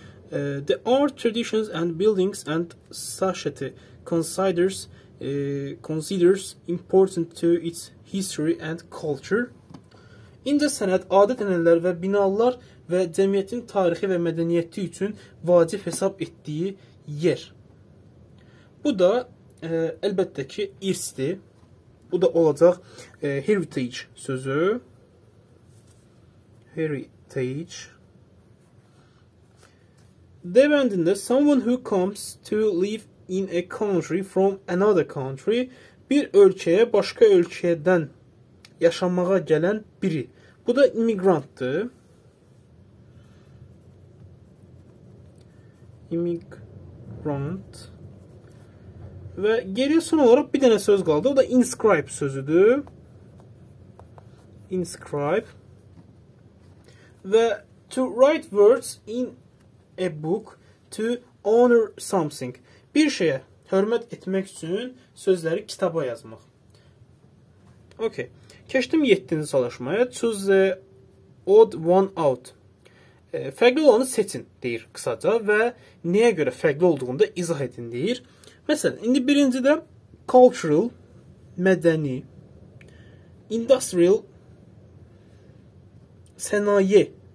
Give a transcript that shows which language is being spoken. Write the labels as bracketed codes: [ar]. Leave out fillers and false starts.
[en] The art traditions and buildings and society considers important to its history and culture. [az] İncəsənət, adət-ənənələr və binalar və cəmiyyətin tarixi və mədəniyyəti üçün vacib hesab etdiyi yer. Bu da əlbəttə ki, irsdir. Bu da olacaq heritage sözü. [en] Heritage. Devendində, someone who comes to live in a country from another country, [az] bir ölkəyə, başqa ölkədən yaşamağa gələn biri. Bu da immigrantdır. Immigrant. Və geriyə son olaraq bir dənə söz qaldı. O da inscribe sözüdür. Inscribe. [en] Və to write words in a book to honor something. [az] Bir şeyə hörmət etmək üçün sözləri kitaba yazmaq. [en] Okay. [az] Keçdim 7-ci çalışmaya. [en] Choose the odd one out. [az] Fərqli olanı seçin, deyir qısaca. Və nəyə görə fərqli olduğunu da izah edin, deyir. Məsələn, indi birinci də cultural, mədəni, industrial, sənaye.